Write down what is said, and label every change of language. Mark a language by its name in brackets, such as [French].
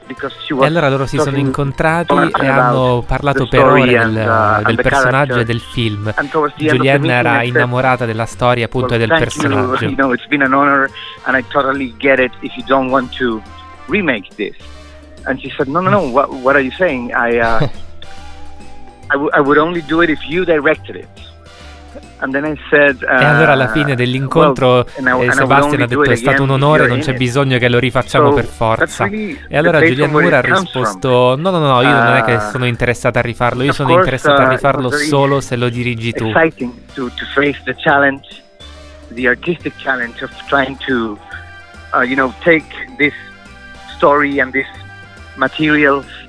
[Italian] E allora loro si sono incontrati e hanno parlato per ore del personaggio e del film. Julianne era innamorata della storia, appunto, e del personaggio. [English] You know, it's been an honor and I totally get it if you don't want to remake this. And she said, no, what are you saying? I would only do it if you directed it. And then I said, [Italian] e allora alla fine dell'incontro Sebastian ha detto: è stato un onore, non c'è bisogno che lo rifacciamo per forza. E allora Julianne Moore ha risposto: no, io non è che sono interessata a rifarlo, io sono interessata a rifarlo solo se lo dirigi tu. [English] Exciting to face the challenge, the artistic challenge of trying to you know, take this story and this material.